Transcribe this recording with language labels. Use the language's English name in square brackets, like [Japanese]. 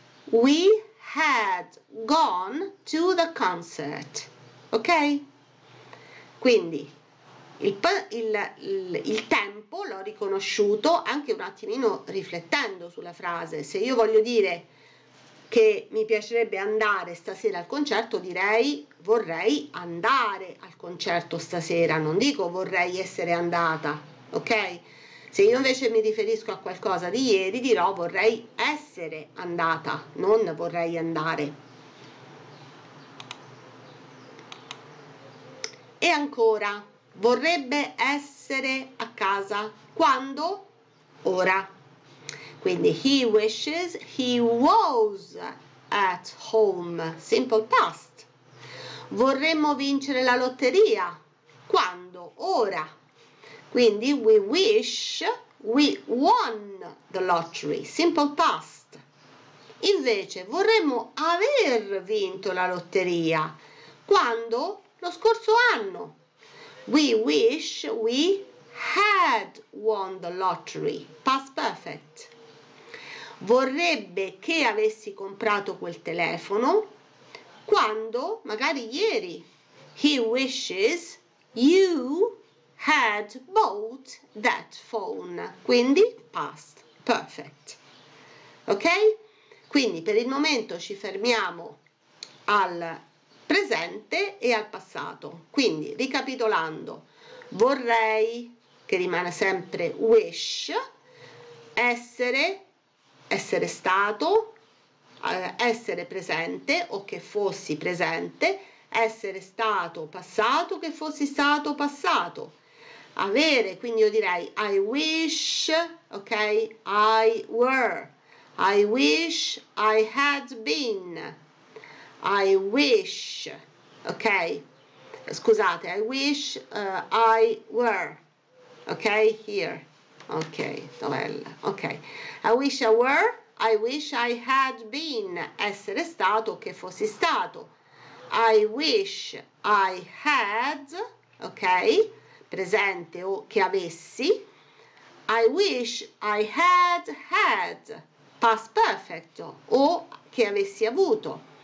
[English] We had gone to the concert, ok? [Italian] Quindi, il tempo l'ho riconosciuto anche un attimino riflettendo sulla frase. Se io voglio dire che mi piacerebbe andare stasera al concerto, direi vorrei andare al concerto stasera, non dico vorrei essere andata, ok? Se io invece mi riferisco a qualcosa di ieri, dirò vorrei essere andata, non vorrei andare. E ancora, vorrebbe essere a casa quando? Ora. [English] Quindi he wishes he was at home, simple past. [Italian] Vorremmo vincere la lotteria quando? Ora. [English] Quindi we wish we won the lottery, simple past. [Italian] Invece vorremmo aver vinto la lotteria quando? Lo scorso anno. [English] We wish we had won the lottery, past perfect. [Italian] Vorrebbe che avessi comprato quel telefono quando? Magari ieri. [English] He wishes you had bought that phone. [Italian] Quindi past perfect. Ok? Quindi per il momento ci fermiamo al presente e al passato. Quindi, ricapitolando, vorrei, che rimane sempre wish, essere stato, essere presente o che fossi presente, essere stato passato, che fossi stato passato, avere, quindi io direi [English] I wish, ok, I were, I wish I had been, I wish, ok, scusate, I wish I were, ok? Here. Ok, novella. Ok. I wish I were, I wish I had been. [Italian] Essere stato, che fossi stato. [English] I wish I had, ok? [Italian] Presente o che avessi. [English] I wish I had had. [Italian] Past perfect o che avessi avuto.